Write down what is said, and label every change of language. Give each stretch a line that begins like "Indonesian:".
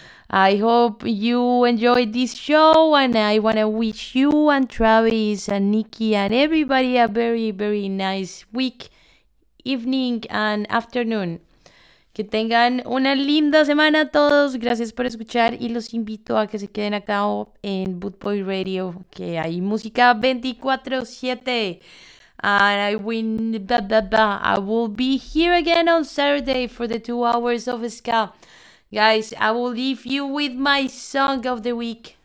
English: I hope you enjoyed this show and I want to wish you and Travis and Nikki and everybody a very, very nice week, evening and afternoon.
Spanish: Que tengan una linda semana a todos. Gracias por escuchar y los invito a que se queden acá en Boot Boy Radio, que hay música 24/7.
English: And I will be here again on Saturday for the 2 hours of ska. Guys, I will leave you with my song of the week.